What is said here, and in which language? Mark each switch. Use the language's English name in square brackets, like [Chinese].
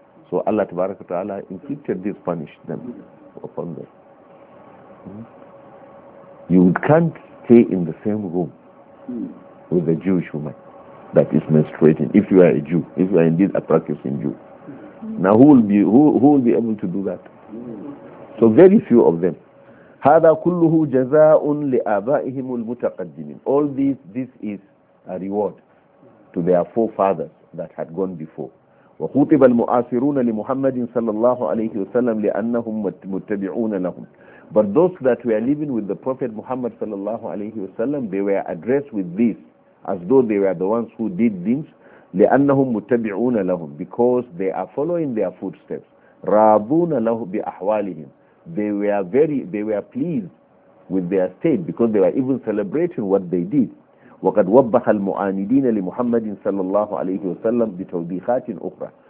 [English] So Allah Tabarak wa Ta'ala inflicted this, punished them upon them. You can't stay in the same room with a Jewish woman that is menstruating, if you are a Jew, if you are indeed a practicing Jew. Now who will be able to do that? So very few of them. [Arabic] هذا كله جزاء لآبائهم المتقدمين. [English] All this is a reward to their forefathers that had gone before. [Arabic] وخطب المعاصرون لمحمد صلى الله عليه وسلم لأنهم متبعون لهم. [English] But those that were living with the Prophet Muhammad [Arabic] صلى الله عليه وسلم, [English] they were addressed with this as though they were the ones who did this. [Arabic] لأنهم متبعون لهم, [English] because they are following their footsteps. [Arabic] راضون له بأحوالهم. [English] They were pleased with their state, because they were even celebrating what they did. [Arabic] وقد وضح المعاندين لمحمد صلى الله عليه وسلم بتوبيخات أخرى.